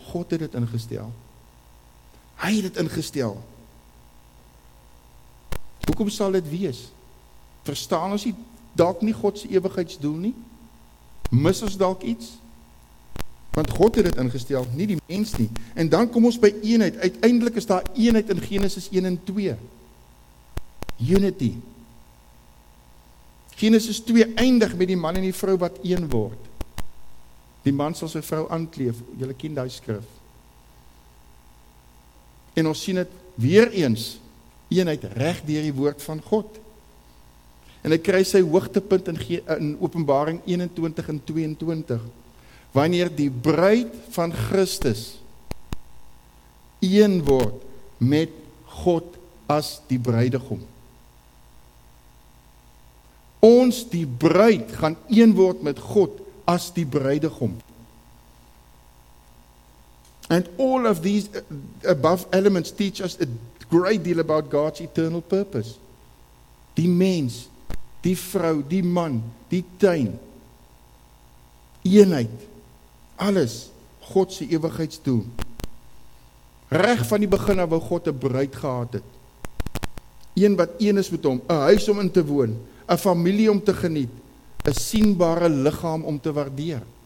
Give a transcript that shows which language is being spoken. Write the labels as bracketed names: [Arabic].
[Afrikaans] God het dit ingestel. Hy het dit ingestel. Hoekom sal dit wees? Verstaan ons nie dalk nie God se ewigheidsdoel nie? Mis ons dalk iets? Want God het dit ingestel, nie die mens nie. En dan kom ons by eenheid. Uiteindelik is daar eenheid in Genesis 1 en 2. Unity. Genesis 2 eindig met die man en die vrou wat een word. Die man sal sy vrou aankleef, julle ken die skrif. En ons sien het weer eens, eenheid reg deur die woord van God. En hy kry sy hoogtepunt in Openbaring 21 en 22, wanneer die bruid van Christus een word met God as die bruidegom. Ons die bruid gaan een word met God as die bruidegom. [English] And all of these above elements teach us a great deal about God's eternal purpose. [Afrikaans] Die mens, die vrou, die man, die tuin, eenheid, alles, God se ewigheidsdoel. Reg van die begin af wou God 'n bruid gehad het. Een wat een is met hom, 'n huis om in te woon, 'n familie om te geniet, 'n sienbare liggaam om te waardeer.